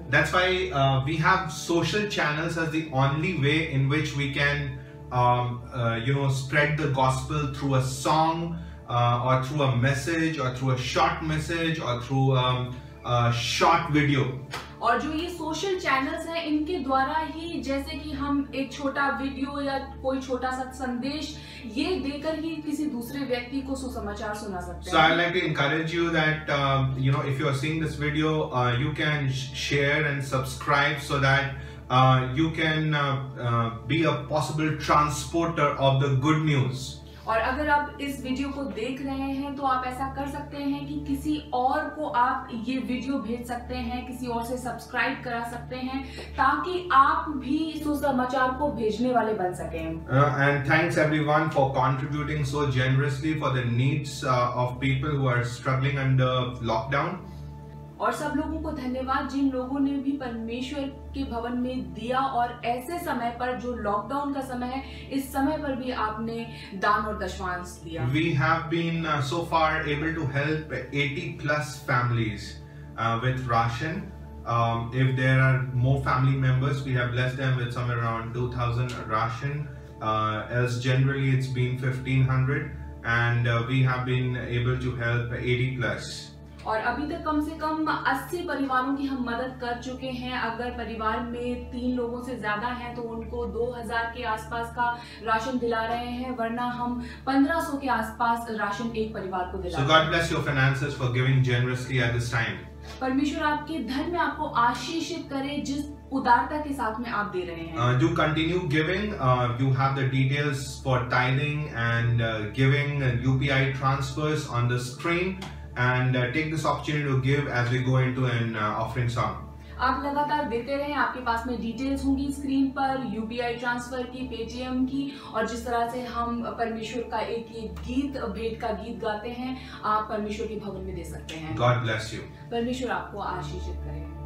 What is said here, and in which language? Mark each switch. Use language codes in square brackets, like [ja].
[en] That's why we have social channels as the only way in which we can you know spread the gospel through a song or through a message or through a short message or through a short video. [hi] और जो ये social channels हैं इनके द्वारा ही जैसे कि हम एक छोटा video या कोई छोटा सा संदेश ये देकर ही किसी दूसरे व्यक्ति को सुसमाचार सुना सकते हैं. [en] So I'd like to encourage you that you know if you are seeing this video you can share and subscribe so that you can be a possible transporter of the good news. [hi] और अगर आप इस video को देख रहे हैं तो आप ऐसा कर सकते हैं कि किसी और को आप ये वीडियो भेज सकते हैं, किसी और से सब्सक्राइब करा सकते हैं ताकि आप भी सुसमाचार को भेजने वाले बन सकें। [en] And thanks everyone for contributing so generously for the needs of people who are struggling under lockdown. [hi] और सब लोगों को धन्यवाद जिन लोगों ने भी परमेश्वर के भवन में दिया और ऐसे समय पर जो लॉकडाउन का समय है इस समय पर भी आपने दान और दशमांश दिया। [en] We have been so far able to help 80 plus families with ration. If there are more family members, we have blessed them with somewhere around 2000 ration. Else generally it's been 1500 and we have been able to help 80 plus. [hi] और अभी तक कम से कम 80 परिवारों की हम मदद कर चुके हैं। अगर परिवार में 3 लोगों से ज्यादा हैं तो उनको 2000 के आसपास का राशन दिला रहे हैं, वरना हम 1500 के आसपास राशन एक परिवार को दिला रहे हैं। [en] So God bless your finances for giving generously at this time. [hi] परमेश्वर आपके धन में आपको आशीषित करे जिस उदारता के साथ में आप दे रहे हैं। [en] Do continue giving. You have the details for tithing and giving UPI transfers on the screen. And take this opportunity to give as we go into an offering song. [hi] आप लगातार देते रहें, आपके पास में डिटेल्स होंगी स्क्रीन पर UPI transfer की, Paytm की, और जिस तरह से हम परमेश्वर का एक ये गीत भेंट का गीत गाते हैं आप परमेश्वर के भवन में दे सकते हैं। [en] God bless you. [hi] परमेश्वर आपको आशीषित करे।